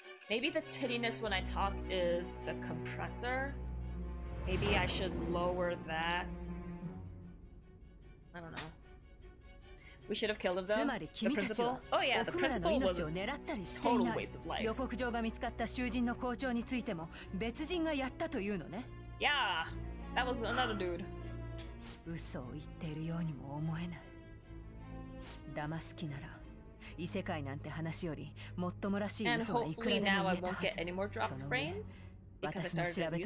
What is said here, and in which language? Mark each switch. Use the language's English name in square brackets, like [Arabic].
[English] Maybe the tinniness when I talk is the compressor? Maybe I should lower that? I don't know. We should have killed him though. The principal? Oh yeah, the principal was a total waste of life. [Japanese] 予告状が見つかった囚人の校長についても別人がやったというのね? [English] Yeah! That was another dude. [Japanese] 嘘を言っているようにも思えない。騙す気なら異世界なんて話よりもっともらしい嘘がいくらでも言えた。 [English] And hopefully now I won't get any more dropped frames because I started a new stream.